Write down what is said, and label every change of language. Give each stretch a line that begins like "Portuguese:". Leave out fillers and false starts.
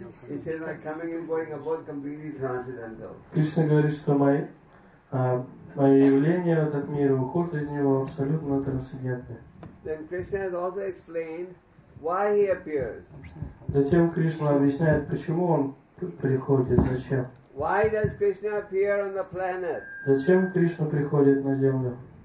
English: He says, "My coming and going are both completely transcendental."
Russian: Кришна говорит, что мое явление в этот мир и уход из него абсолютно трансцендентны.
English: Then Krishna has also explained why he appears.
Russian: Затем Кришна объясняет, почему он приходит, зачем.
English: Why does Krishna appear on the planet?
Russian: Зачем Кришна приходит на Землю?